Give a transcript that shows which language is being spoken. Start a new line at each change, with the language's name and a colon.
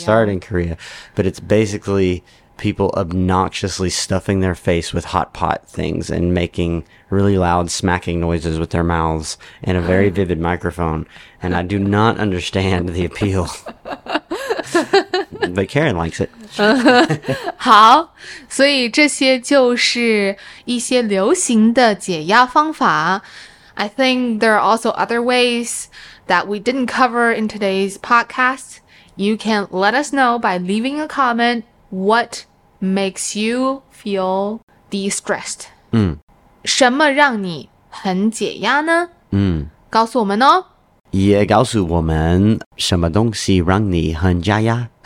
English: started in Korea But it's basically people obnoxiously Stuffing their face with hot pot things And making really loud smacking noises With their mouths And a very vivid microphone And I do not understand the appeal But Karen likes it.
Chinese: 好，所以这些就是一些流行的解压方法。
English: I think there are also other ways that we didn't cover in today's podcast. You can let us know by leaving a comment what makes you feel de-stressed.
Chinese: 什么让你很解压呢？告诉我们哦。也告诉我们什么东西让你很解压。